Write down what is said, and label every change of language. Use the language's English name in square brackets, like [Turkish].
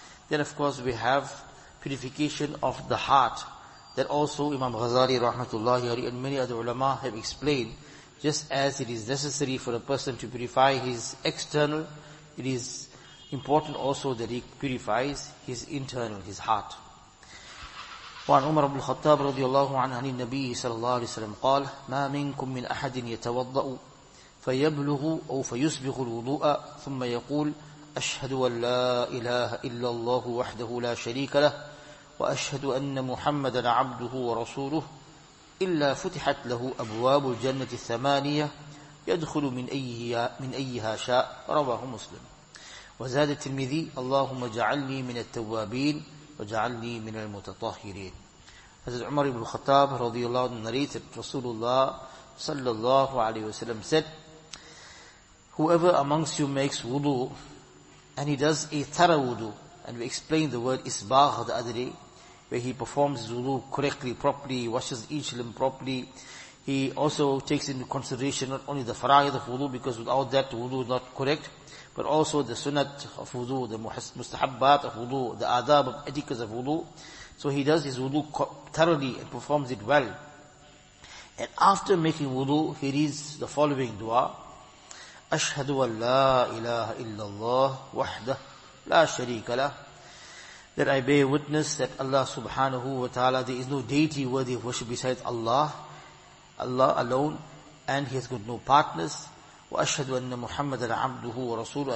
[English] Then of course we have purification of the heart. That also Imam Ghazali rahmatullahi alayhi and many other ulama have explained. Just as it is necessary for a person to purify his external, it is important also that he purifies his internal, his heart. [Arabic] وعن عمر بن الخطاب رضي الله عنه عن النبي صلى الله عليه وسلم قال ما منكم من أحد يتوضأ فيبلغ أو فيسبغ الوضوء ثم يقول أشهد أن لا إله إلا الله وحده لا شريك له وأشهد أن محمدا عبده ورسوله إلا فتحت له أبواب الجنة الثمانية يدخل من أيها شاء رواه مسلم وزاد الترمذي اللهم اجعلني من التوابين وجعلني من المتطهرين. [English] حضرت عمر بن الخطاب [Arabic] رضي الله عنه [English] narrated رسول الله [Arabic] صلى الله عليه وسلم [English] said, whoever amongst you makes wudu, and he does a thorough wudu, and we explained the word isbagh the other day, where he performs wudu correctly, properly, washes each limb properly. He also takes into consideration not only the faraid of wudu, because without that wudu is not correct, but also the sunnat of wudu, the mustahabbat of wudu, the adab of etiquette of wudu. So he does his wudu thoroughly and performs it well. And after making wudu, he reads the following dua. [Arabic] أشهد أن لا إله إلا الله وحده لا شريك له. [English] That I bear witness that Allah subhanahu wa ta'ala, there is no deity worthy of worship besides Allah. Allah alone, and He has got no partners. [Arabic] وأشهد أن محمد عبده ورسوله.